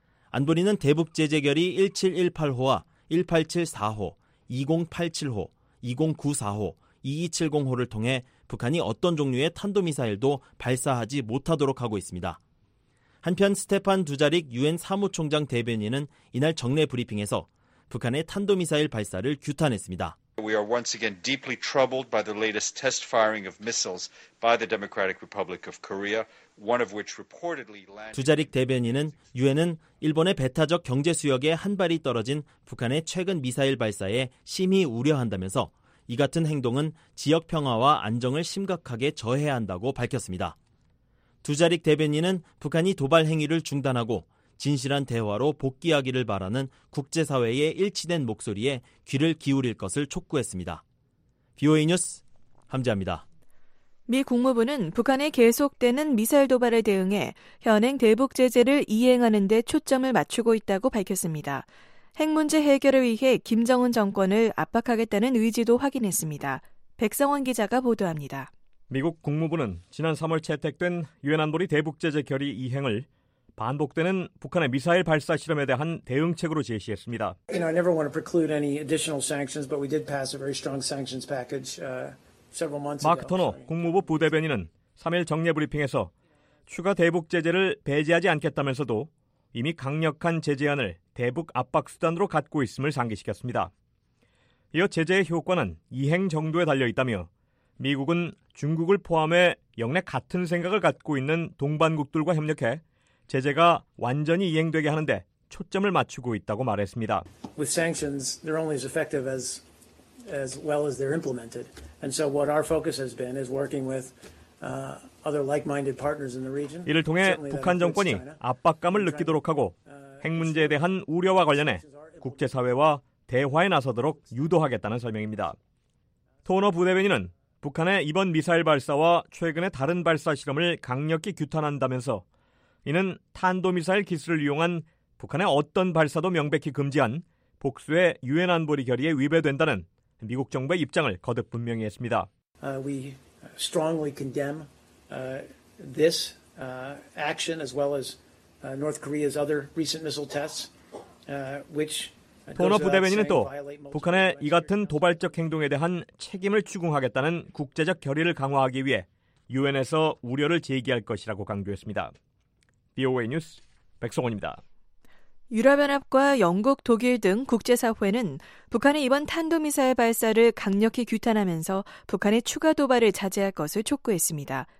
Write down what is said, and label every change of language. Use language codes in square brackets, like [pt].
[ko] 안보리는 대북 제재 결의 1718호와 1874호, 2087호, 2094호, 2270호를 통해 북한이 어떤 종류의 탄도미사일도 발사하지 못하도록 하고 있습니다. 한편 스테판 두자릭 유엔 사무총장 대변인은 이날 정례 브리핑에서 북한의 탄도미사일 발사를 규탄했습니다. [en] We are once again deeply troubled by the latest test firing of missiles by the Democratic Republic of Korea, one of which reportedly landed. [ko] 두자릭 대변인은 유엔은 일본의 배타적 경제 수역에 한 발이 떨어진 북한의 최근 미사일 발사에 심히 우려한다면서 이 같은 행동은 지역 평화와 안정을 심각하게 저해한다고 밝혔습니다. 두자릭 대변인은 북한이 도발 행위를 중단하고 진실한 대화로 복귀하기를 바라는 국제사회의 일치된 목소리에 귀를 기울일 것을 촉구했습니다. BOA 뉴스 함재합니다. 미 국무부는 북한의 계속되는 미사일 도발에 대응해 현행 대북 제재를 이행하는 데 초점을 맞추고 있다고 밝혔습니다. 핵 문제 해결을 위해 김정은 정권을 압박하겠다는 의지도 확인했습니다. 백성원 기자가 보도합니다. 미국 국무부는 지난 3월 채택된 유엔 안보리 대북 제재 결의 이행을 반복되는 북한의 미사일 발사 실험에 대한 대응책으로 제시했습니다. [en] You know, I never want to preclude any additional sanctions, but we did pass a very strong sanctions package several months ago. [ko] 마크 터너 국무부 부대변인은 3일 정례 브리핑에서 추가 대북 제재를 배제하지 않겠다면서도 이미 강력한 제재안을 대북 압박 수단으로 갖고 있음을 상기시켰습니다. 이어 제재의 효과는 이행 정도에 달려 있다며 미국은 중국을 포함해 영내 같은 생각을 갖고 있는 동반국들과 협력해 제재가 완전히 이행되게 하는 데 초점을 맞추고 있다고 말했습니다. [en] With sanctions, they're only as effective as well as they're implemented. And so what our focus has been is working with other like-minded partners in the region. [ko] 이를 통해 북한 정권이 압박감을 느끼도록 하고 핵 문제에 대한 우려와 관련해 국제사회와 대화에 나서도록 유도하겠다는 설명입니다. 토너 부대변인은 북한의 이번 미사일 발사와 최근의 다른 발사 실험을 강력히 규탄한다면서 이는 탄도미사일 기술을 이용한 북한의 어떤 발사도 명백히 금지한 복수의 유엔 안보리 결의에 위배된다는 미국 정부의 입장을 거듭 분명히 했습니다. [en] We strongly condemn this action as well as North Korea's other recent missile tests, which [ko] 토너 부대변인은 또 북한의 이 같은 도발적 행동에 대한 책임을 추궁하겠다는 국제적 결의를 강화하기 위해 유엔에서 우려를 제기할 것이라고 강조했습니다. VOA 뉴스 백성원입니다. 유럽연합과 영국, 독일 등 국제사회는 북한의 이번 탄도미사일 발사를 강력히 규탄하면서 북한의 추가 도발을 자제할 것을 촉구했습니다.